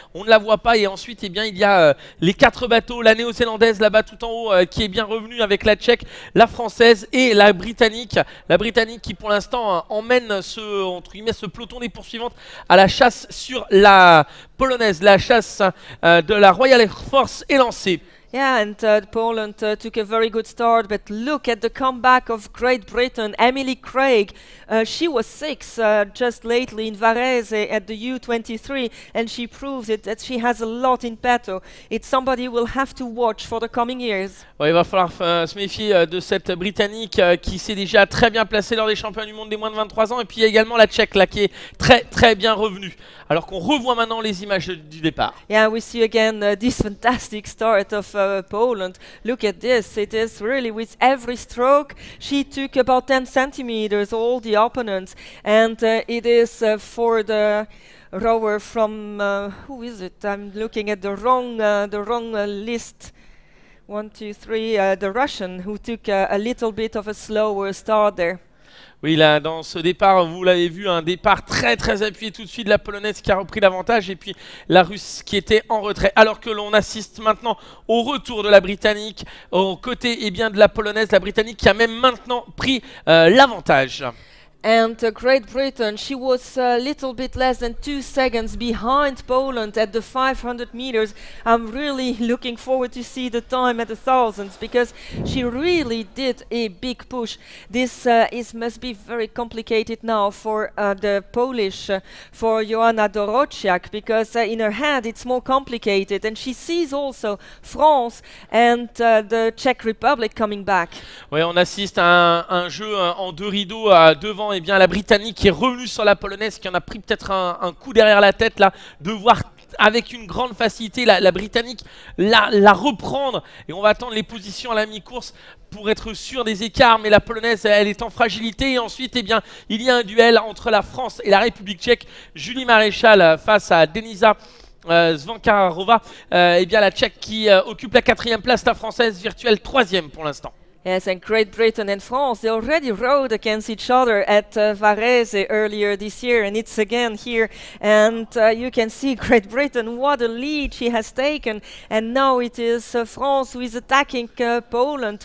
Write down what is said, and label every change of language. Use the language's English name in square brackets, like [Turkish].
[French] On ne la voit pas. Et ensuite, eh bien, il y a les quatre bateaux. La Néo-Zélandaise là-bas tout en haut qui est bien revenue avec la Tchèque, la Française et la Britannique. La Britannique qui, pour l'instant, emmène ce, entre guillemets, ce peloton des poursuivantes à la chasse sur la polonaise. La chasse de la Royal Air Force est lancée. [English] Yeah, and Poland took a very good start, but look at the comeback of Great Britain, Emily Craig. She was sixth just lately in Varese at the U23, and she proved it that she has a lot in petto. It's somebody we'll have to watch for the coming years. [French] Ouais, il va falloir se méfier de cette Britannique qui s'est déjà très bien placée lors des championnats du monde des moins de 23 ans, et puis il y a également la Tchèque là, qui est très très bien revenue. Alors qu'on revoit maintenant les images du départ. [English] Yeah, we see again this fantastic start of Poland. Look at this. It is really with every stroke, she took about 10 centimeters, all the opponents. And it is for the rower from, who is it? I'm looking at the wrong list. One, two, three, the Russian, who took a little bit of a slower start there. [French] Oui, là, dans ce départ, vous l'avez vu, un départ très très appuyé tout de suite, la Polonaise qui a repris l'avantage et puis la Russe qui était en retrait. Alors que l'on assiste maintenant au retour de la Britannique, aux côtés eh bien, de la Polonaise, la Britannique qui a même maintenant pris l'avantage. [English] And Great Britain, she was a little bit less than 2 seconds behind Poland at the 500 meters. I'm really looking forward to see the time at the thousands because she really did a big push. This must be very complicated now for the Polish, for Joanna Dorosiak, because in her head it's more complicated. And she sees also France and the Czech Republic coming back. [French] Oui, on assiste à un jeu en deux rideaux devant. Et eh bien la Britannique qui est revenue sur la Polonaise, qui en a pris peut-être un coup derrière la tête là, de voir avec une grande facilité la Britannique la reprendre. Et on va attendre les positions à la mi-course pour être sûr des écarts, mais la Polonaise elle est en fragilité. Et ensuite eh bien, il y a un duel entre la France et la République Tchèque, Julie Maréchal face à Denisa Zvankarova. Et eh bien la Tchèque qui occupe la 4e place, la Française virtuelle 3e pour l'instant. [English] Yes, and Great Britain and France, they already rode against each other at Varese earlier this year, and it's again here. And you can see Great Britain, what a lead she has taken. And now it is France who is attacking Poland.